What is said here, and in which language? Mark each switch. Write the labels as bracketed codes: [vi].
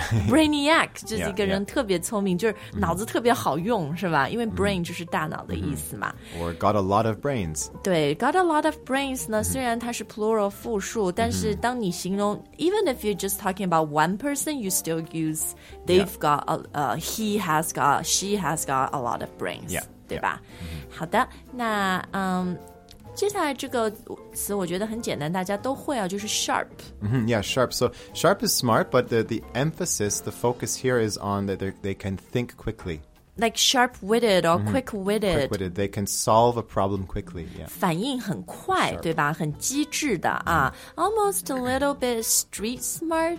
[zh] Brainiac 就是一个人特别聪明 就是脑子特别好用、mm-hmm. 是吧因为 brain 就是大脑的意思嘛、mm-hmm. [en] Or got a lot of brains [zh] 对 [en] got a lot of brains [zh] 呢、mm-hmm. 虽然它是 plural 复数但是当你形容、mm-hmm. [en] Even if you're just talking about one person You still use they've、yeah. got a,、He has got She has got a lot of brains yeah, [zh] 对吧、 yeah. 好的那、接下来这个词我觉得很简单大家都会啊就是 sharp、 [en] mm-hmm, yeah sharp so sharp is smart but the emphasis the focus here is on that they can think quickly like sharp-witted or quick-witted、mm-hmm, quick-witted they can solve a problem quickly yeah [zh] 反应很快、 [en] sharp. [zh] 对吧很机智的啊、mm-hmm. [en] almost a little bit street smart